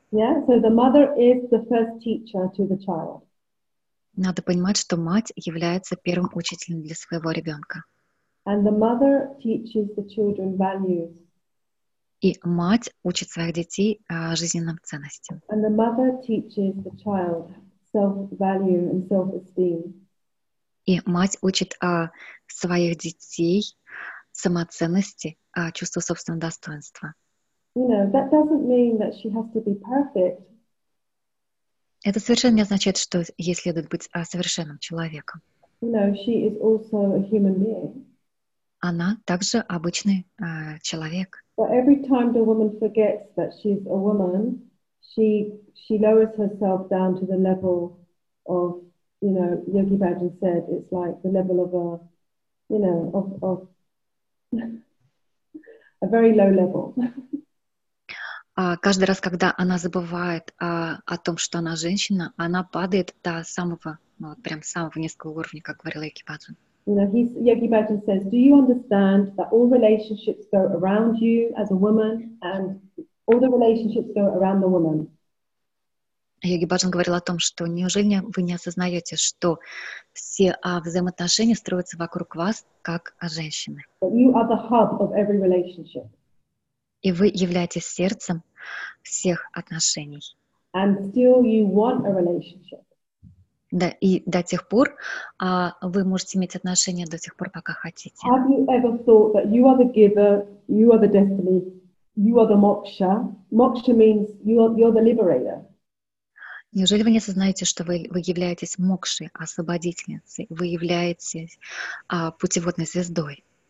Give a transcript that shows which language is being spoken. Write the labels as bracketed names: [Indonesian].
[English] Yeah, so the mother is the first teacher to the child. [Russian] Надо понимать, что мать является первым учителем для своего ребенка. [English] And the mother teaches the children values. [Russian] И мать учит своих детей жизненным ценностям. [English] And the mother teaches the child self-value and self-esteem. [Russian] И мать учит своих детей самоценности, чувству собственного достоинства. [English] You know, that doesn't mean that she has to be perfect. [Russian] Это совершенно не означает, что ей следует быть совершенным человеком. [English] You know, she is also a human being. [Russian] Она также обычный человек. [English] But every time the woman forgets that she's a woman, she lowers herself down to the level of, you know, Yogi Bhajan said, it's like the level of a very low level. [Russian] Каждый раз, когда она забывает о том, что она женщина, она падает до самого, ну, вот прям самого низкого уровня, как говорил Йоги Баджан. [English] You know, Yogi Bhajan says, do you understand that all relationships go around you as a woman and all the relationships go around the woman? [Russian] Йоги Бхаджан говорил о том, что неужели вы не осознаете, что все взаимоотношения строятся вокруг вас, как женщины? [English] But you are the hub of every relationship. [Russian] И вы являетесь сердцем всех отношений. [English] And still you want a relationship. [Russian] Да, и до тех пор вы можете иметь отношения до тех пор, пока хотите. [English] Have you ever thought that you are the giver, you are the destiny, you are the moksha? Moksha means you're the liberator. [Russian] Неужели вы не осознаете, что вы являетесь мокшей, освободительницей, вы являетесь путеводной звездой?